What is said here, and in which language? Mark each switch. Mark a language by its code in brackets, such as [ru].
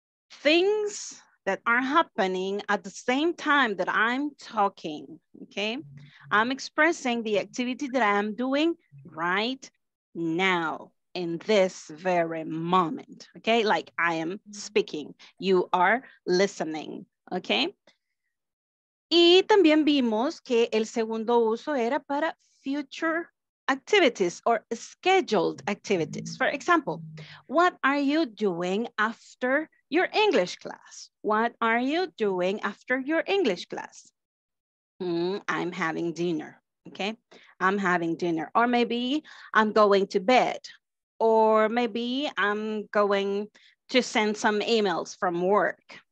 [en] Things that are happening at the same time that I'm talking, okay? I'm expressing the activity that I'm doing right now in this very moment, okay? Like I am speaking, you are listening, okay? [es] Y también vimos que el segundo uso era para [en] future activities or scheduled activities. For example, what are you doing after your English class? What are you doing after your English class? I'm having dinner, okay? I'm having dinner, or maybe I'm going to bed, or maybe I'm going to send some emails from work.